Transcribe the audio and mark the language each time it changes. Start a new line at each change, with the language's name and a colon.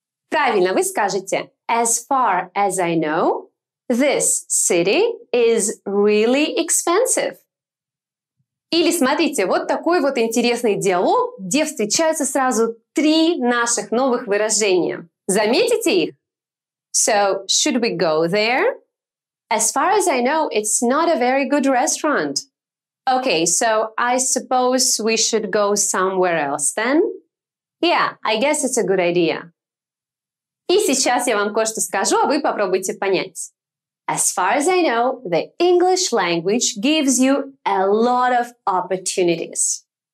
Russian: Правильно, вы скажете:
English: «As far as I know, this city is really expensive».
Russian: Или смотрите, вот такой вот интересный диалог, где встречаются сразу три наших новых выражения. Заметите их?
English: So, should we go there? As far as I know, it's not a very good restaurant. Okay, so I suppose we should go somewhere else then? Yeah, I guess it's a good idea.
Russian: И сейчас я вам кое-что скажу, а вы попробуйте понять.
English: As far as I know, the English language gives you a lot of opportunities.